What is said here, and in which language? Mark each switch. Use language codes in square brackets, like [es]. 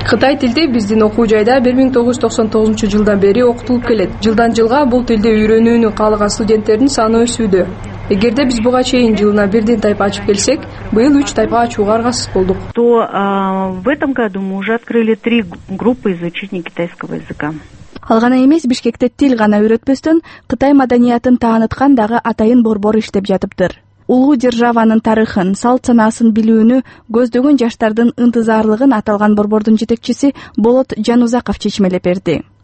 [ky] Кытай тилди биздин окуу жайда 1999 жылдан бери окутулуп келет. Жылдан жылга бул тилди үйрөнүүнү каалаган студенттердин саны өсүүдө. Эгерде биз буга чейин жылына бирден тайпа ачып келсек, быйыл 3 тайпа ачууга аргасыз болдук. [ru] То в этом году мы уже открыли 3 группы изучения китайского языка. [ky] Ал гана эмес, Бишкекте тил гана үйрөтпөстөн, Кытай маданиятын тааныткан дагы атайын борбор иштеп жатыптыр. Улуу державанын тарыхын, салт санаасын билүүнү көздөгөн жаштардын ынтызарлыгын аталган борбордун жетекчиси Болот Жанузаков чечмелеп берди.